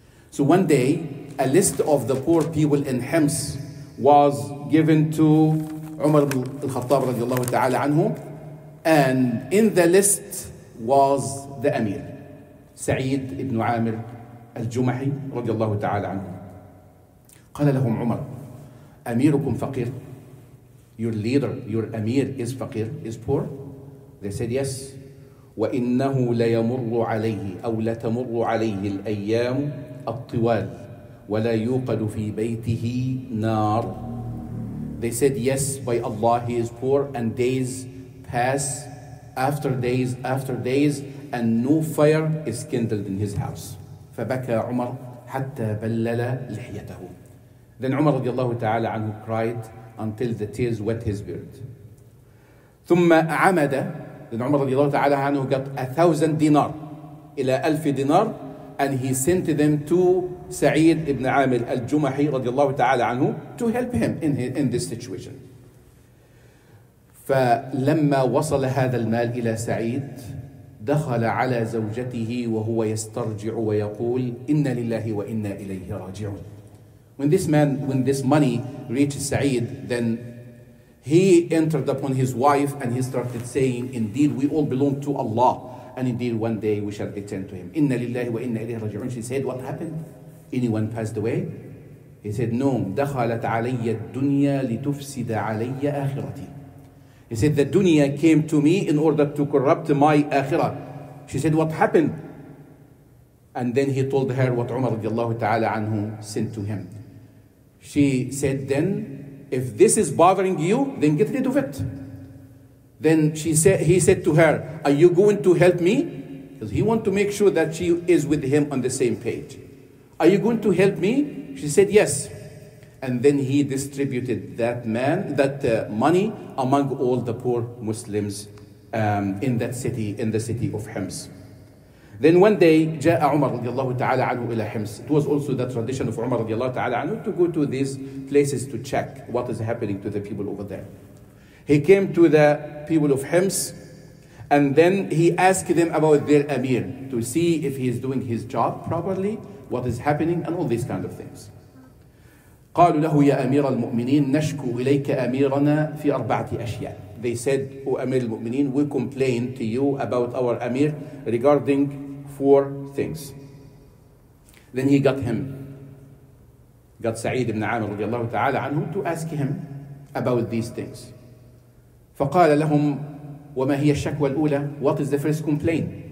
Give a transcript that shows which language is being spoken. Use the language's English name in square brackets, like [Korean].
[English] So one day, a list of the poor people in Hims was given to Umar ibn Khattab radiallahu ta'ala anhu, and in the list was the Amir, Sa'id ibn Amir al-Jumahi radiallahu ta'ala anhu. [Arabic] Qala lahum Umar, Amirukum faqir, [English] your leader, your Amir is faqir, is poor? They said yes. [Arabic] وإنه ليمر عليه أو لتمر عليه الأيام الطوال ولا يوقد في بيته نار. [English] They said, yes, by Allah, he is poor, and days pass after days after days, and no fire is kindled in his house. [Arabic] فبكى عمر حتى بلل لحيته. [English] Then عمر رضي الله تعالى عنه cried until the tears wet his beard. [Arabic] ثم عمد. [English] Then عمر رضي الله تعالى عنه got 1,000 dinar, إلى 1,000 dinar, and he sent them to سعيد ابن عامر الجمحي رضي الله تعالى عنه to help him in this situation. [Arabic] فلما وصل هذا المال إلى سعيد دخل على زوجته وهو يسترجع ويقول إن لله وإنا إليه راجعون. [English] When this money reached سعيد, then he entered upon his wife and he started saying, indeed we all belong to Allah and indeed one day we shall return to him. [Arabic] إن لله وإنا إليه راجعون. [English] She said, what happened? Anyone passed away? He said, no. [Arabic] دخلت علي الدنيا لتفسد علي آخرتي. [English] He said, the dunya came to me in order to corrupt my akhirah. She said, what happened? And then he told her what Umar radiallahu ta'ala anhu sent to him. She said then, if this is bothering you, then get rid of it. Then she said, he said to her, are you going to help me? Because he wants to make sure that she is with him on the same page. Are you going to help me? She said, yes. And then he distributed that money among all the poor Muslims in the city of Homs. Then one day, جاء عمر رضي الله تعالى عنه إلى Homs. It was also the tradition of عمر رضي الله تعالى عنه to go to these places to check what is happening to the people over there. He came to the people of Homs, and then he asked them about their Amir to see if he is doing his job properly, what is happening, and all these kind of things. [Arabic] قالوا له يا أمير المؤمنين نشكو إليك أميرنا في أربعة أشياء. [English] They said, O أمير المؤمنين, we complain to you about our أمير regarding 4 things. Then he got سعيد بن عامر رضي الله تعالى عنه to ask him about these things. [Arabic] فقال لهم وما هي الشكوى الأولى, [English] what is the first complaint?